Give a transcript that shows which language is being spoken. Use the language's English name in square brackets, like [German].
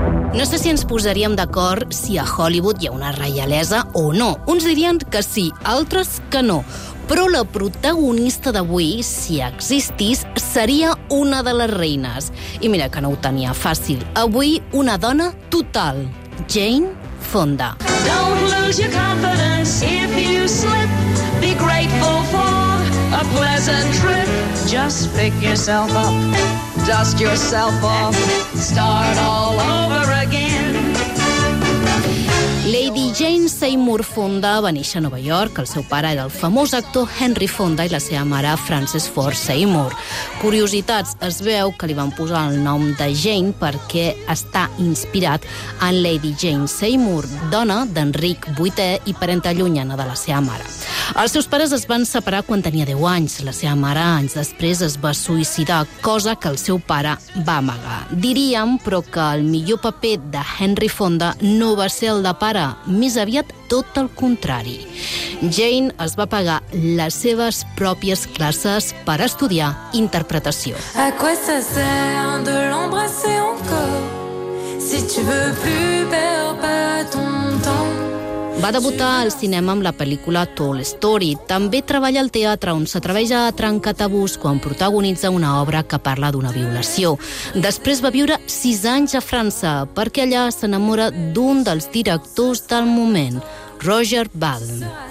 [Catalan] No sé si ens posaríem d'acord si a Hollywood hi ha una reialesa o no. Uns dirien que sí, altres que no. Però la protagonista d'avui, si existís, seria una de les reines. I mira que no ho tenia fàcil. Avui, una dona total. Jane Fonda. [English] Don't lose your confidence if you slip. Be grateful for a pleasant trip. Just pick yourself up, dust yourself off, start all over again. [Catalan] Lady Jane Seymour Fonda va néixer a Nova York. El seu pare era el famós actor Henry Fonda i la seva mare, Frances Ford Seymour. Curiositats, es veu que li van posar el nom de Jane perquè està inspirat en Lady Jane Seymour, dona d'Enric VIII i parenta llunyana de la seva mare. Els seus pares es van separar quan tenia 10 anys. La seva mare, anys després, es va suïcidar, cosa que el seu pare va amagar. Diríem, però, que el millor paper de Henry Fonda no va ser el de pare, més aviat tot el contrari. Jane es va pagar les seves pròpies classes per estudiar interpretació. [French] A quoi ça sert de l'embrasser encore si tu veux plus perdre pas ton temps? [Catalan] Va debutar al cinema amb la pel·lícula Tall Story. També treballa al teatre, on s'atreveix a trencar tabús quan protagonitza una obra que parla d'una violació. Després va viure 6 anys a França, perquè allà s'enamora d'un dels directors del moment, Roger Vadim.